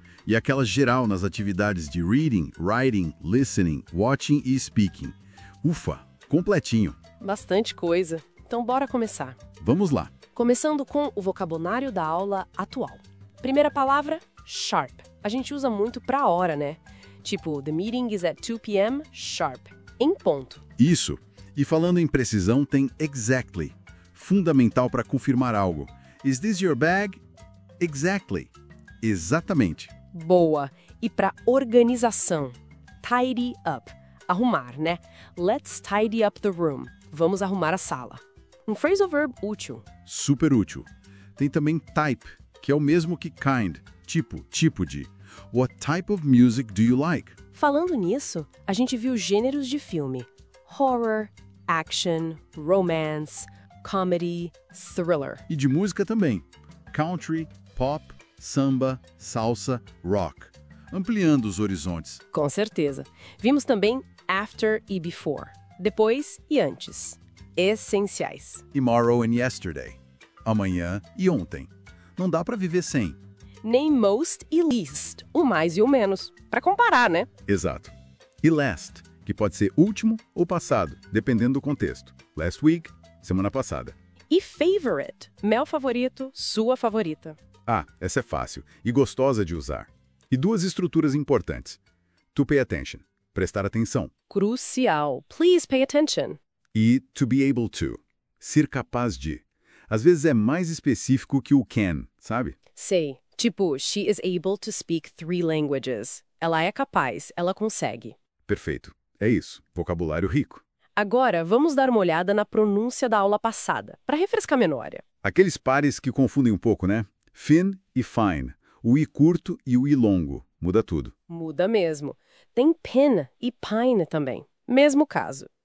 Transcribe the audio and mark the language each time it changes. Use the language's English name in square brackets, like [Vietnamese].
[Portuguese] E aquela geral nas atividades de reading, writing, listening, watching e speaking. Ufa, completinho. Bastante coisa. Então, bora começar. Vamos lá. Começando com o vocabulário da aula atual. Primeira palavra, sharp. A gente usa muito pra hora, né? [English] Tipo, the meeting is at 2 p.m. [Portuguese] sharp. Em ponto. Isso. E falando em precisão, tem exactly. Fundamental para confirmar algo. [English] Is this your bag? Exactly. [Portuguese] Exatamente. Boa. E para organização. Tidy up. Arrumar, né? [English] Let's tidy up the room. [Portuguese] Vamos arrumar a sala. Um phrasal verb útil. Super útil. Tem também type, que é o mesmo que kind. Tipo, tipo de. [English] What type of music do you like? [Portuguese] Falando nisso, a gente viu gêneros de filme. [English] Horror, action, romance, comedy, thriller. [Portuguese] E de música também. Country, pop, samba, salsa, rock. Ampliando os horizontes. Com certeza. Vimos também after e before. Depois e antes. Essenciais. [English] Tomorrow and yesterday. [Portuguese] Amanhã e ontem. Não dá pra viver sem. Nem most e least. O mais e o menos. Pra comparar, né? Exato. E last, que pode ser último ou passado, dependendo do contexto. [English] Last week, [Portuguese] semana passada. E favorite, meu favorito, sua favorita. Ah, essa é fácil e gostosa de usar. E duas estruturas importantes. To pay attention, prestar atenção. [English] Crucial, please pay attention. [Portuguese] E to be able to, ser capaz de. Às vezes é mais específico que o can, sabe? Sei, tipo, [English] she is able to speak 3 languages. [Portuguese] Ela é capaz, ela consegue. Perfeito, é isso, vocabulário rico. Agora, vamos dar uma olhada na pronúncia da aula passada, para refrescar a memória. Aqueles pares que confundem um pouco, né? Thin e fine. O I curto e o I longo. Muda tudo. Muda mesmo. Tem pin e pine também. Mesmo caso.